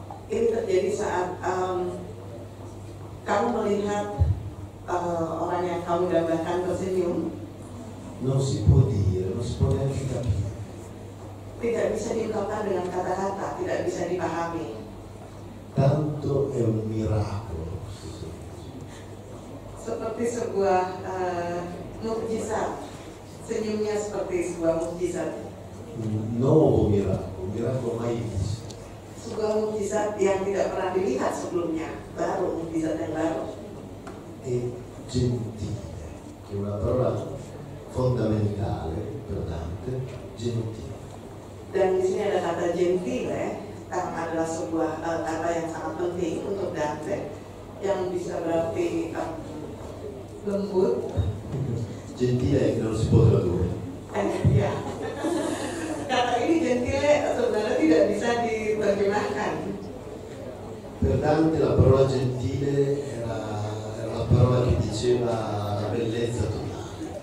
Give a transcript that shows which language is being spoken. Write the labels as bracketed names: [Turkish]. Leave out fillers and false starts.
[Indonesian] Jadi saat kamu melihat orang yang kamu gambarkan tersenyum. [Italian] Non si può dire, non si può neanche capire. [Indonesian] Tidak bisa diungkapkan dengan kata-kata, tidak bisa dipahami. [Italian] Tanto è un miracolo. [Indonesian] Seperti sebuah mukjizat. Senyumnya seperti sebuah mukjizat. [Italian] Nuovo miracolo, miracolo mai visto. [Indonesian] Sebuah mukjizat yang tidak pernah dilihat sebelumnya, baru mukjizat yang baru. [Italian] E gentile, che è una parola fondamentale per Dante, gentile. [Indonesian] Dan di sini ada kata gentile, adalah sebuah kata yang sangat penting untuk Dante, yang bisa berarti lembut. [Italian] Gentile è che non si può tradurre. [Indonesian] Ya. Kata ini gentile sebenarnya tidak bisa diterjemahkan. [Italian] Per Dante la parola gentile era la parola che diceva la bellezza totale.